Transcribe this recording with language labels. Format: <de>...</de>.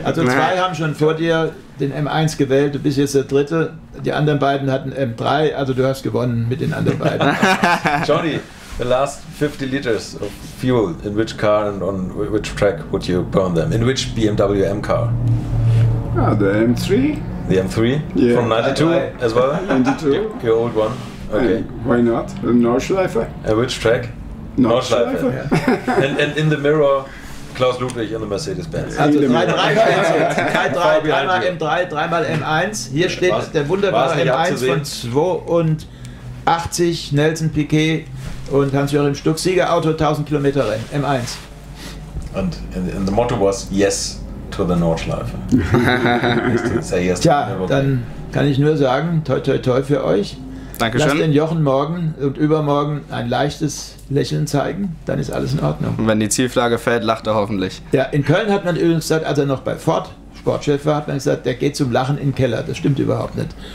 <de>Also zwei haben schon vor dir den M1 gewählt. Du bist jetzt der Dritte. Die anderen beiden hatten M3. Also du hast gewonnen mit den anderen beiden.</de> <en>Johnny, the last 50 liters of fuel in which car and on which track would you burn them? In which BMW M car? Ah, the M3. The M3? Yeah. From 92 as well? 92. Your old one? Okay. And why not? The Nordschleife? And which track? Nordschleife. Yeah. And in the mirror, Klaus Ludwig in the Mercedes-Benz.</en> <de>Also 3x M3, 3x M1. Hier steht der wunderbare M1 von 82, Nelson Piquet und Hans-Joachim Stuck. Siegerauto, 1000 Kilometer Rennen, M1.</de> <en>And in the motto was yes to the Nordschleife. Yes.</en> <de>Tja, dann kann ich nur sagen, toi toi toi für euch. Dankeschön. Lass den Jochen morgen und übermorgen ein leichtes Lächeln zeigen, dann ist alles in Ordnung. Und wenn die Zielflagge fällt, lacht er hoffentlich. Ja, in Köln hat man übrigens gesagt, als er noch bei Ford Sportchef war, hat man gesagt, der geht zum Lachen in den Keller. Das stimmt überhaupt nicht.</de>